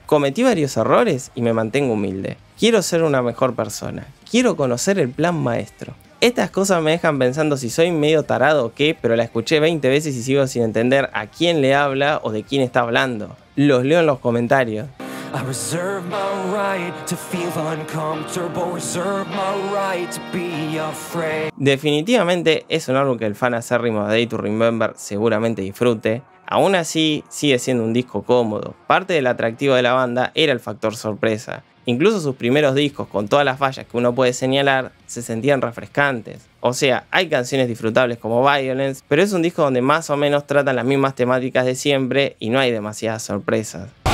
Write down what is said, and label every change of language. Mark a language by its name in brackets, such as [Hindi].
[Spanish] Cometí varios errores y me mantengo humilde. Quiero ser una mejor persona. Quiero conocer el plan maestro. Estas cosas me dejan pensando si soy medio tarado o qué, pero la escuché 20 veces y sigo sin entender a quién le habla o de quién está hablando. Los leo en los comentarios. [English] I reserve my right to feel uncomfortable, reserve my right to be afraid. [Spanish] Definitivamente es un álbum que el fan acérrimo de A Day to Remember seguramente disfrute. Aún así, sigue siendo un disco cómodo. Parte del atractivo de la banda era el factor sorpresa. Incluso sus primeros discos, con todas las fallas que uno puede señalar, se sentían refrescantes. O sea, hay canciones disfrutables como Violence, pero es un disco donde más o menos tratan las mismas temáticas de siempre y no hay demasiadas sorpresas.